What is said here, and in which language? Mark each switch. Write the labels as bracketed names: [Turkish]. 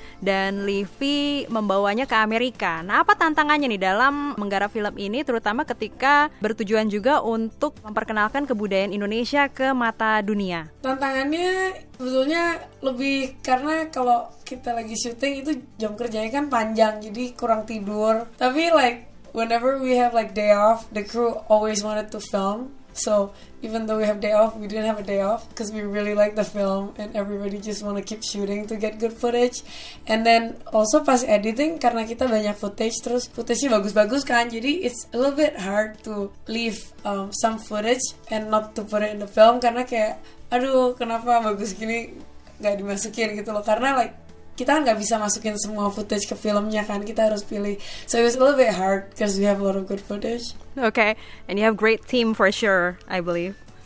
[Indonesian] Dan Livi membawanya ke Amerika. Nah apa tantangannya nih dalam menggarap film ini, terutama ketika bertujuan juga untuk memperkenalkan kebudayaan Indonesia ke mata dunia? Tantangannya sebetulnya lebih karena kalau kita lagi syuting itu jam kerjanya kan panjang, jadi kurang tidur. [English] Tapi like whenever we have like day off, the crew always wanted to film. So even though we have day off, we didn't have a day off because we really like the film and everybody just want to keep shooting to get good footage. And then also [Indonesian] pas editing, karena kita banyak footage, terus footage-nya bagus-bagus kan, jadi [English] it's a little bit hard to leave some footage and not to put it in the film [Indonesian] karena kayak, aduh kenapa bagus gini gak dimasukin gitu loh. Karena like kita kan gak bisa masukin semua footage ke filmnya kan, kita harus pilih. [English] So it was a little bit hard because we have a lot of good footage. Okay, and you have great team for sure, I believe.